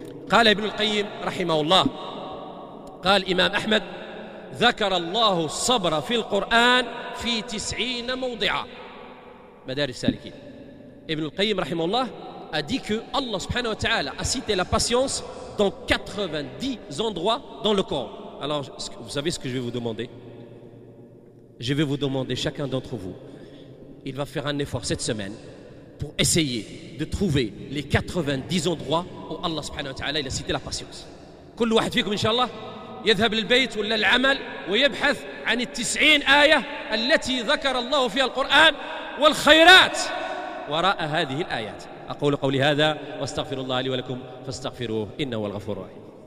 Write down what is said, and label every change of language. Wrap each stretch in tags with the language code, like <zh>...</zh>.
<ar>قال ابن القيم رحمه الله، قال إمام أحمد: ذكر الله الصبر في القرآن في 90 موضعا. مدارس السالكين.</ar> <fr>ابن القيم</fr> <ar>رحمه الله</ar> <fr>a dit que Allah subhanahu wa ta'ala a cité la patience dans 90 endroits dans le Coran. Alors, vous savez ce que je vais vous demander ? Je vais vous demander, chacun d'entre vous, il va faire un effort cette semaine pour essayer de trouver les 90 endroits où Allah</fr> <ar>subhanahu wa ta'ala</ar> <fr>il a cité la patience.</fr> <ar>كل واحد فيكم إن شاء الله يذهب للبيت ولا العمل ويبحث عن 90 آية التي ذكر الله فيها القرآن والخيرات وراء هذه الآيات. أقول قولي هذا واستغفر الله لي ولكم فاستغفروه إنه هو الغفور الرحيم.</ar>